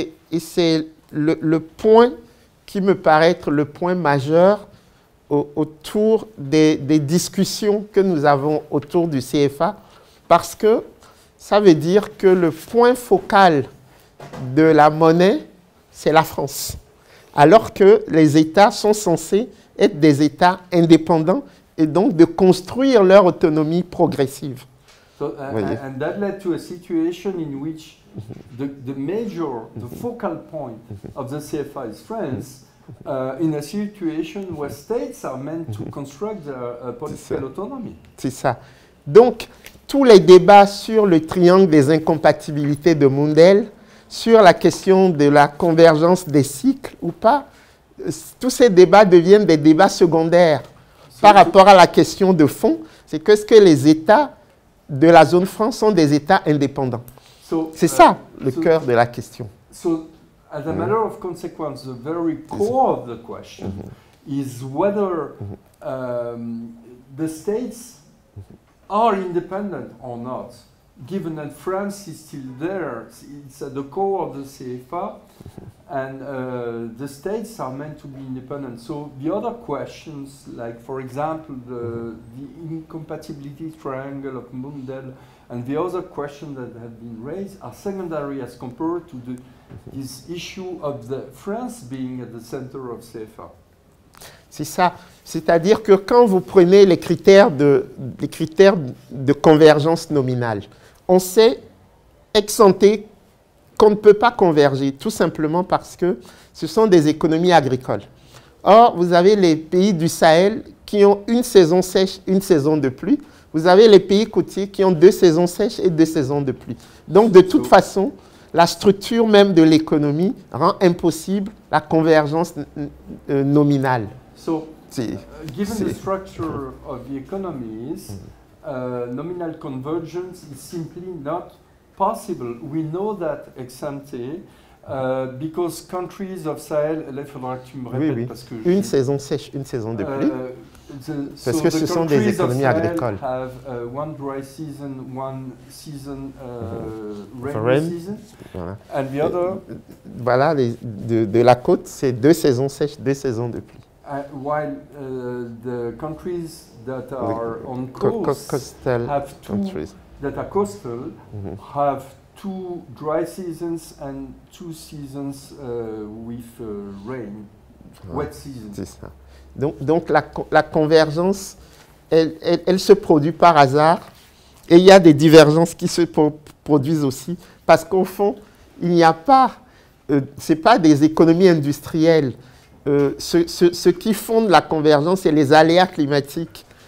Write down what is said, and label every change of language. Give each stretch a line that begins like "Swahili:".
French: Et c'est le point qui me paraît être le point majeur autour des discussions que nous avons autour du CFA, parce que ça veut dire que le point focal de la monnaie, c'est la France. Alors que les États sont censés être des États indépendants et donc de construire leur autonomie progressive.
English: And that led to a situation in which the major, the focal point of the CFA is France. In a situation where states are meant to construct their political autonomy.
French: C'est ça. Donc, tous les débats sur le triangle des incompatibilités de Mundell, sur la question de la convergence des cycles ou pas, tous ces débats deviennent des débats secondaires par rapport à la question de fond, c'est qu'est-ce que les États de la zone franc sont des États indépendants. C'est ça, le cœur de la question.
English: So, as a matter of consequence, the very core of the question is whether the states are independent or not, given that France is still there. It's at the core of the CFA, and the states are meant to be independent. So the other questions, like, for example, the incompatibility triangle of Mundell, and the other questions that have been raised, are secondary as compared to the, this issue of the France being at the center of CFA.
French: C'est ça. C'est-à-dire que quand vous prenez les critères de convergence nominale, on sait ex ante qu'on ne peut pas converger, tout simplement parce que ce sont des économies agricoles. Or, vous avez les pays du Sahel qui ont une saison sèche, une saison de pluie. Vous avez les pays côtiers qui ont deux saisons sèches et deux saisons de pluie. Donc, de toute façon, la structure même de l'économie rend impossible la convergence nominale.
English: So, given the structure of the economies, nominal convergence is simply not possible. We know that ex ante, because countries of Sahel,
French: là, il faudra que tu me répètes, parce que une saison sèche, une saison de pluie. Parce que ce sont des économies agricoles.
English: Have one dry season, one season rainy season, and the other.
French: Voilà, de la côte, c'est deux saisons sèches, deux saisons de pluie.
English: While the countries that are on coast have two that are coastal have two dry seasons and two seasons with rain, wet seasons.
French: C'est ça. Donc la convergence, elle se produit par hasard, et il y a des divergences qui se produisent aussi, parce qu'au fond, il n'y a pas, c'est pas des économies industrielles. Ce qui fonde la convergence, c'est les aléas climatiques.